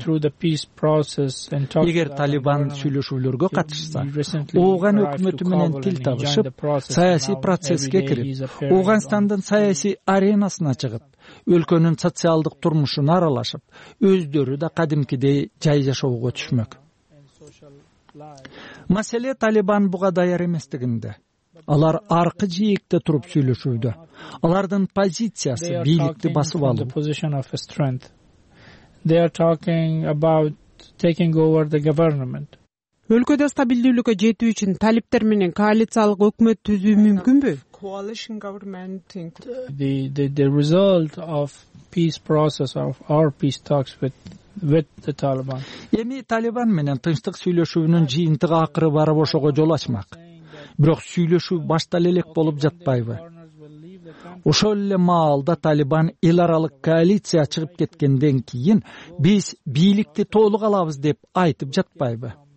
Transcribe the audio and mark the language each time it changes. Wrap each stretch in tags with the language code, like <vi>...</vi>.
<ky>Эгер Талибан сүйлөшүүлөргө катышса, Ооган өкмөтү менен тил табышып, саясий процесске кирип, Оогандын саясий аренасына чыгып, өлкөнүн социалдык турмушуна аралашып, өздөрү да кадимкидей жай жашоого түшмөк. Маселе Талибан буга даяр эместигинде. Алар аркы жээкте туруп сүйлөшүүдө. Алардын позициясы бийликти басып алуу.</ky> <en>They are talking about taking over the government.</en> <ky>Өлкөдө стабилдүүлүккө жетүү үчүн талиптер менен коалициялык өкмөт түзүү мүмкүнбү?</ky> <en>The result of peace process of our peace talks with the Taliban.</en> <ky>Эми Талибан менен тынчтык сүйлөшүүнүн жыйынтыгы акыры барып ошого жол ачмак. Бирок сүйлөшүү баштал элек болуп жатпайбы? Ошол эле маалда Талибан эл аралык коалиция чыгып кеткенден кийин биз бийликти толук алабыз деп айтып жатпайбы?</ky>